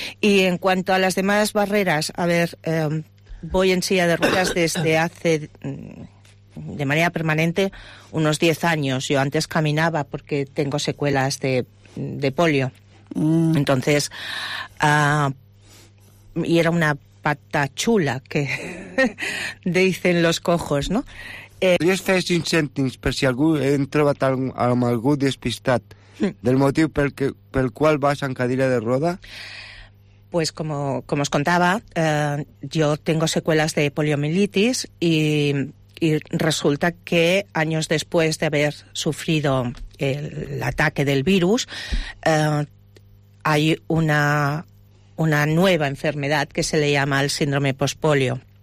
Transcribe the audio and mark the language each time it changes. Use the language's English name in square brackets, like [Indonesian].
[Spanish] Y en cuanto a las demás barreras, a ver, voy en silla de ruedas desde hace, de manera permanente, unos 10 años. Yo antes caminaba porque tengo secuelas de polio. Entonces, y era una pata chula, que dicen los cojos, ¿no? [Catalan] Podries fer cinc cèntims per si algú hem trobat amb algú despistat del motiu pel qual vas en cadira de roda? [Spanish] Pues como os contaba, yo tengo secuelas de poliomielitis y resulta que años después de haber sufrido el ataque del virus, hay una nueva enfermedad que se le llama el síndrome pospolio,